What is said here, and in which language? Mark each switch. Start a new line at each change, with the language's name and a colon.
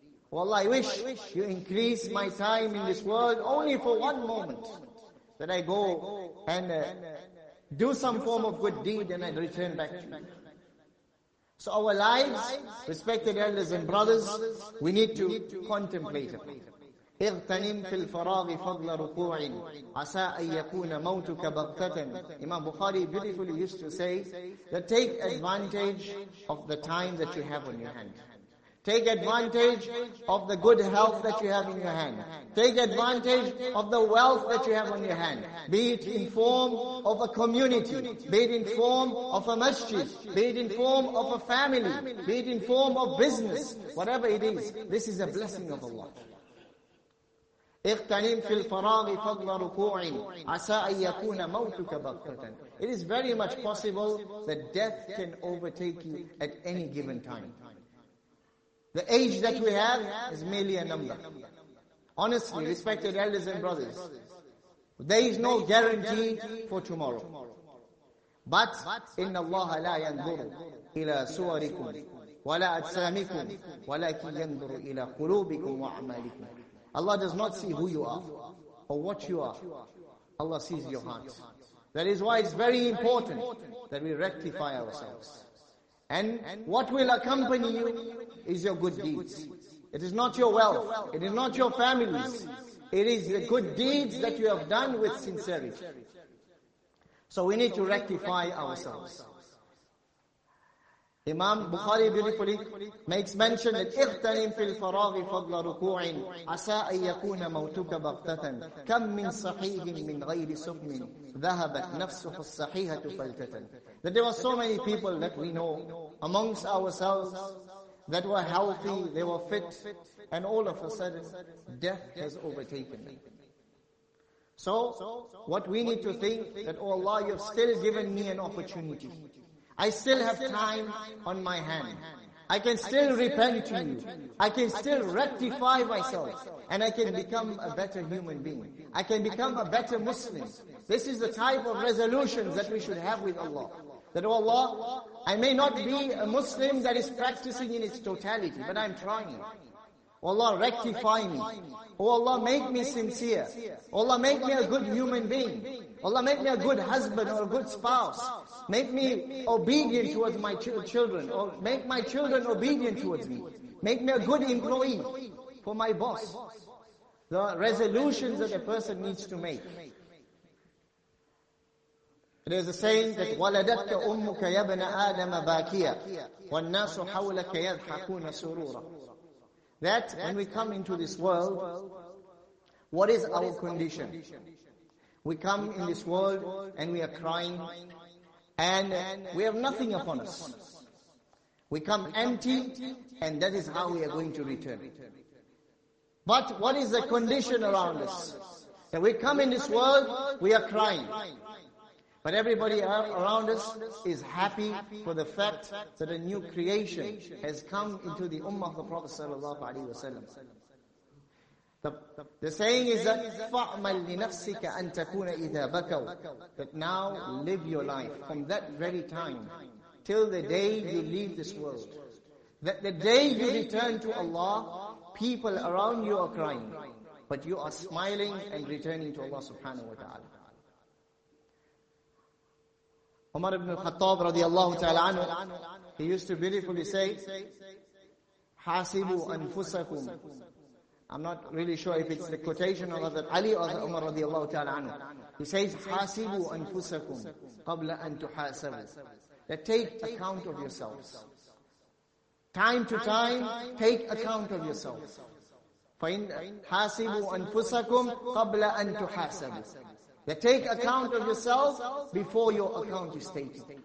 English: Wallah, I wish you increase my time in this world only for one moment, that I go and do some form of good deed and I return back to you. So our lives, respected elders and brothers, we need to contemplate it.
Arabic: اغتنم في الفراغ فضل ركوع عسى أن يكون موتك بغتة.
English: Imam Bukhari beautifully used to say that take advantage of the time that you have on your hand. Take advantage of the good health that you have in your hand. Take advantage of the wealth that you have on your hand. Be it in form of a community. Be it in form of a masjid. Be it in form of a family. Be it in form of business. Whatever it is, this is a blessing of Allah.
Arabic: اغتنم في الفراغ فضل ركوع عسى أن يكون موتك بغتة.
English: It is very much possible that death can overtake you at any given time. The age that we have is merely a number. Honestly, respected elders and brothers, there is no guarantee for tomorrow.
Arabic: But إن الله لا ينظر إلى صوركم ولا أجسامكم ولكن ينظر إلى قلوبكم وأعمالكم.
English: Allah does not see who you are or what you are. Allah sees your heart. That is why it's very important that we rectify ourselves. And what will accompany you is your good deeds. It is not your wealth. It is not your families. It is the good deeds that you have done with sincerity. So we need to rectify ourselves. Imam Bukhari beautifully makes mention that
Arabic: اغتنم في الفراغ فضل ركوع عسى أن يكون موتك بغتة كم من صحيح من غير سقم ذهبت نفسه الصحيحة فلتة.
English: That there were so many people that we know amongst ourselves that were healthy, they were fit, and all of a sudden death has overtaken them. So what we need to think that, oh Allah, you have still given me an opportunity. I still have time on my hand. I can still repent to you. I can still rectify myself. And I can become a better human being. I can become a better Muslim. This is the type of resolutions that we should have with Allah. That, oh Allah, I may not be a Muslim that is practicing in its totality, but I'm trying. Oh Allah, rectify me. Oh Allah, make me sincere. Oh Allah, make me a good human being. Oh Allah, make me a good husband or a good spouse. Make me obedient towards my children. Or make my children obedient towards me. Make me a good employee for my boss. The resolutions that a person needs to make. There is a saying that
Arabic: وَلَدَتْكَ أُمُّكَ يَبْنَ آدَمَ بَاكِيَا وَالنَّاسُ حَوْلَكَ يَضْحَكُونَ سُرُورًا.
English: That when we come into this world, what is our condition? We come in this world and we are crying and we have nothing upon us. We come empty and that is how we are going to return. But what is the condition around us? That we come in this world, we are crying. But everybody around us is happy for the fact that a new creation has come into the ummah of the Prophet sallallahu alaihi wasallam. The saying is that
Arabic: فَعْمَلْ لِنَفْسِكَ أَن تَكُونَ إِذَا بَكَوْا.
English: That now live your life from that very time till the day you leave this world. That the day you return to Allah, people around you are crying. But you are smiling and returning to Allah subhanahu wa ta'ala. Umar ibn al-Khattab radiallahu ta'ala anhu, he used to beautifully say,
Arabic: حَاسِبُوا أَنفُسَكُمْ.
English: I'm not really sure if it's the quotation of Hazrat Ali or the Umar radiallahu ta'ala anhu. He says,
Arabic: حَاسِبُوا أَنفُسَكُمْ قَبْلَ أَن تُحَاسَبُوا.
English: That take account of yourselves. Time to time, take account of yourselves.
Arabic: فَإِن حَاسِبُوا أَنفُسَكُمْ قَبْلَ أَن تُحَاسَبُوا.
English: That take account of yourself before your account is taken.